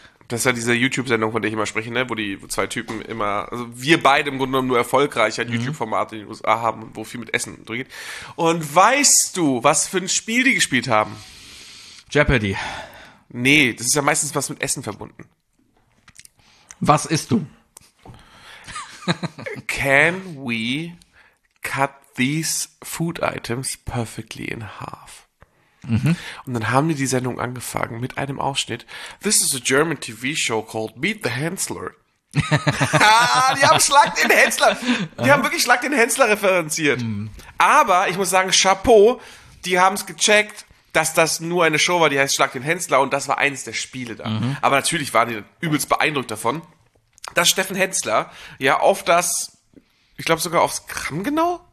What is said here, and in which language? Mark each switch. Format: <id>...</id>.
<de>Das ist ja diese YouTube-Sendung, von der ich immer spreche, ne? Wo die zwei Typen immer, also wir beide im Grunde genommen nur erfolgreich ein YouTube-Format in den USA haben, wo viel mit Essen geht. Und weißt du, was für ein Spiel die gespielt haben? Jeopardy. Nee, das ist ja meistens was mit Essen verbunden. Was isst du?</de> <en>Can we cut these food items perfectly in half?</en> <de>Und dann haben die Sendung angefangen mit einem Ausschnitt.</de> <en>This is a German TV show called Meet the Hänsler.</en> <de>Die haben Schlag den Hänsler. Die haben wirklich Schlag den Hänsler referenziert. Mhm. Aber ich muss sagen, Chapeau, die haben es gecheckt, dass das nur eine Show war, die heißt Schlag den Hänsler und das war eines der Spiele da. Mhm. Aber natürlich waren die übelst beeindruckt davon, dass Steffen Hänsler ja auf das, ich glaube sogar aufs Gramm genau?</de>